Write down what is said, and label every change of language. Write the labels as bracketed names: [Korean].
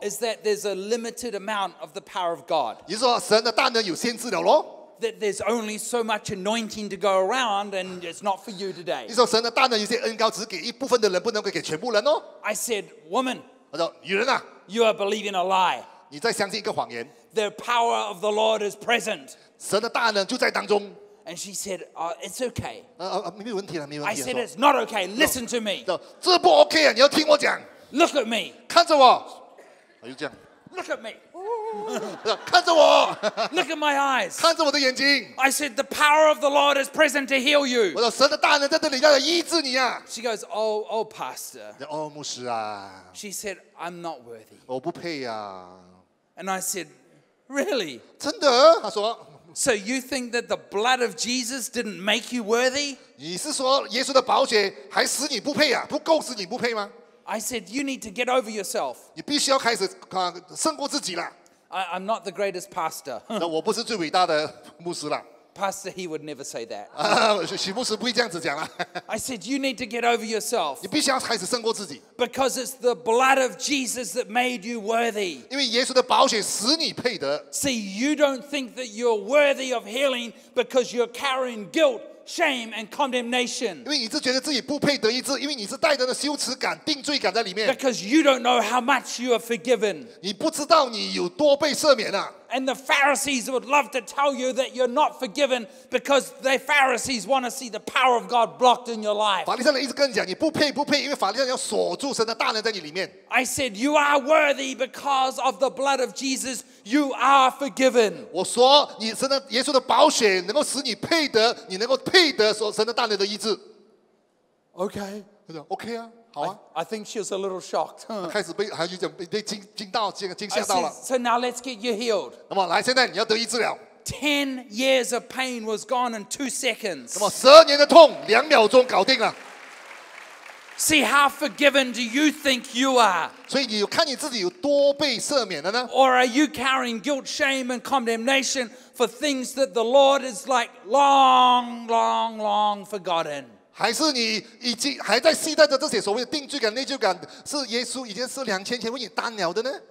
[English] is that there's a limited amount of the power of God. [Chinese] 你说神的大能有限制了咯？ [English] That there's only so much anointing to go around, and it's not for you today. [Chinese] 你说神的大能有些恩膏只给一部分的人，不能够给全部人哦。 [English] I said, woman. [Chinese] 我说女人啊。 [English] You are believing a lie. [Chinese] 你在相信一个谎言。 [English] The power of the Lord is present. [Chinese] 神的大能就在当中。 [English] And she said, it's okay. [Chinese] 没问题了，没问题。 [English] I said, it's not okay. Listen to me. [Chinese] 这不 OK 啊，你要听我讲。 [English] Look at me. [Chinese] 看着我。又这样。 [English] Look at me. [Chinese] 看着我。 [English] Look at my eyes. [Chinese] 看着我的眼睛。 [English] I said, the power of the Lord is present to heal you. [Chinese] 我说神的大能在这里要医治你啊。 [English] She goes, oh, pastor. [Chinese] 哦，牧师啊。 [English] She said, I'm not worthy. [Chinese] 我不配啊。 [English] And I said, really? [Chinese] 真的？她说。 [English] So you think that the blood of Jesus didn't make you worthy? [Chinese] 你是说耶稣的宝血还使你不配啊？不够使你不配吗？ [English] I said, you need to get over yourself. [Chinese] 你必须要开始胜过自己了。 [English] I'm not the greatest pastor. [Chinese] 那我不是最伟大的牧师了。 [English] Pastor, he would never say that. [Chinese] 许牧师不会这样子讲了。 [English] I said, you need to get over yourself. [Chinese] 你必须要开始胜过自己。 [English] Because it's the blood of Jesus that made you worthy. [Chinese] 因为耶稣的宝血使你配得。 [English] See, you don't think that you're worthy of healing because you're carrying guilt. Shame and condemnation. [Chinese] 因为你是觉得自己不配得医治，因为你是带着那羞耻感、定罪感在里面。 [English] Because you don't know how much you are forgiven. [Chinese] 你不知道你有多被赦免啊。 [English] And the Pharisees would love to tell you that you're not forgiven because the Pharisees want to see the power of God blocked in your life. [Chinese] 法利赛人一直跟你讲你不配不配，因为法利赛人要锁住神的大能在你里面。 [English] I said you are worthy because of the blood of Jesus. You are forgiven. [Chinese] 我说你神的耶稣的宝血能够使你配得，你能够配得神的大能的医治。 [English] Okay. [Chinese] Okay 啊， [English] I think she was a little shocked. [Chinese] 开始被还有点被惊到惊吓到了。 [English] So now let's get you healed. [Chinese] 那么来，现在你要得医治了。 [English] 10 years of pain was gone in 2 seconds. [Chinese] 那么12年的痛，2秒钟搞定了。 [English] See how forgiven do you think you are? [Chinese] 所以你看你自己有多被赦免了呢？ [English] Or are you carrying guilt, shame, and condemnation for things that the Lord is like long, long, long forgotten? [Chinese] 还是你已经还在期待着这些所谓的定罪感、内疚感，是耶稣已经是2000年前为你担了的呢？